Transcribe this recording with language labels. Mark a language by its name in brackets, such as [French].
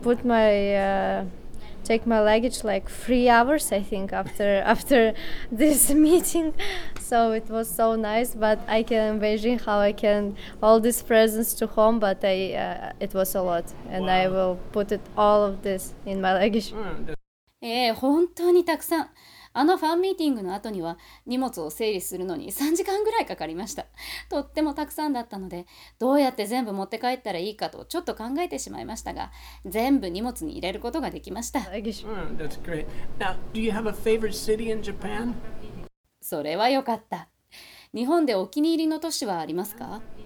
[English] I take my luggage like 3 hours, I think, after this meeting. So it was so nice, but I can imagine how I can all these presents to home, but it was a lot. And wow. I will put it all of this in my luggage. [Japanese] ええ、本当にたくさん。あのファンミーティングの後には荷物を整理するのに3時間ぐらいかかりました。とってもたくさんだったので、どうやって全部持って帰ったらいいかとちょっと考えてしまいましたが、全部荷物に入れることができました。 [English] Thank you. That's great. Now, do you have a favorite city in Japan? [Japanese] それはよかった。日本でお気に入りの都市はありますか？